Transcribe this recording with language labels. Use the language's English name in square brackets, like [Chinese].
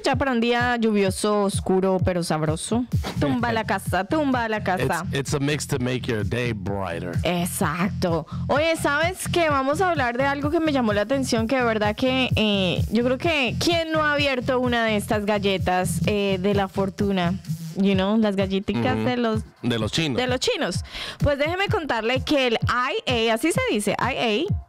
[Spanish] Ya para un día lluvioso, oscuro, pero sabroso. Tumba la casa, tumba la casa. [English] It's a mix to make your day brighter. [Spanish] Exacto. Oye, ¿sabes qué? Vamos a hablar de algo que me llamó la atención, que de verdad que yo creo que ¿quién no ha abierto una de estas galletas de la fortuna? [English] You know, [Spanish] las galletitas de los chinos. Pues déjeme contarle que el IA, así se dice, IA.